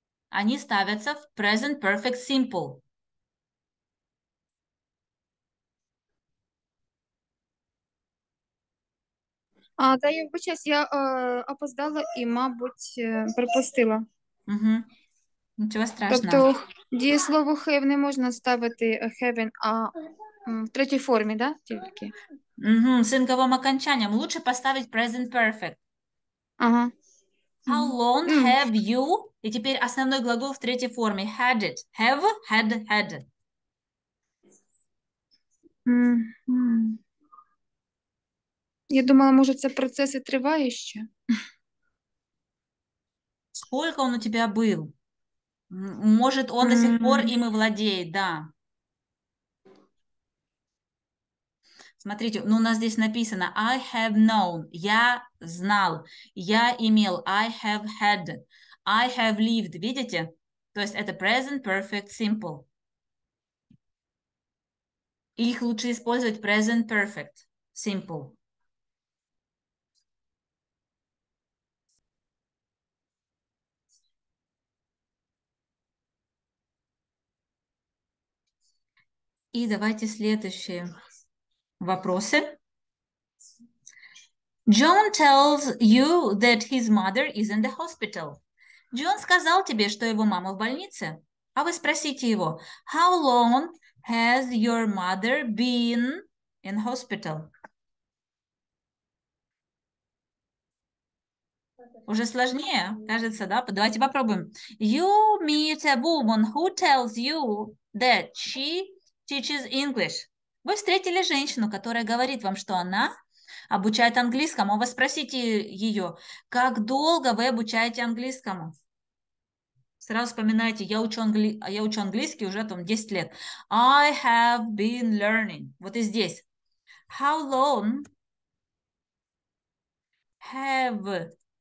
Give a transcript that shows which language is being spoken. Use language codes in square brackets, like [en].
[ru] Они ставятся в present perfect simple. А, да, я бы сейчас я опоздала и, мабуть, пропустила. Угу. Ничего страшного. [uk] Тобто, дії слово have не можна ставити having, а в третій формі, да, тільки? Угу, з інговим окончанням. Лучше поставити present perfect. Ага. [en] How long have you? [uk] І тепер основний глагол в третій формі. [en] Had it. Have, had, had. [uk] Я думала, може, це процес і триває ще. [ru] Сколько он у тебя был? Может, он до сих пор им и владеет, да. Смотрите, ну у нас здесь написано [en] I have known. [ru] Я знал. Я имел. [en] I have had. I have lived. [ru] Видите? То есть это present perfect simple. Их лучше использовать present perfect simple. И давайте следующие вопросы. [en] John tells you that his mother is in the hospital. [ru] Джон сказал тебе, что его мама в больнице. А вы спросите его, [en] how long has your mother been in hospital? [ru] Уже сложнее, кажется, да? Давайте попробуем. [en] You meet a woman who tells you that she teaches English. [ru] Вы встретили женщину, которая говорит вам, что она обучает английскому. Вы спросите ее, как долго вы обучаете английскому? Сразу вспоминайте, я учу английский уже там 10 лет. [en] I have been learning. [ru] Вот и здесь. [en] How long have...